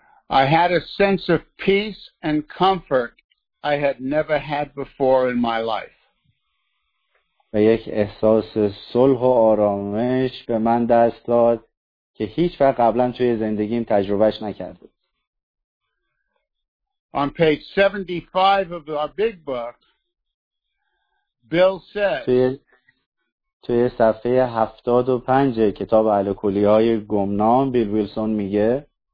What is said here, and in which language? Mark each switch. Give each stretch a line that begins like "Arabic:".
English: I had a sense of peace and comfort I had never had before in my life.
Persian: و یک احساس صلح و آرامش به من دست داد که هیچ وقت قبلا توی زندگیم تجربهش نکرده.
English: On page 75 of our big book, Bill says,
Persian: توی صفحه 75 کتاب اهل کلیه‌های گمنام بیل ویلسون میگه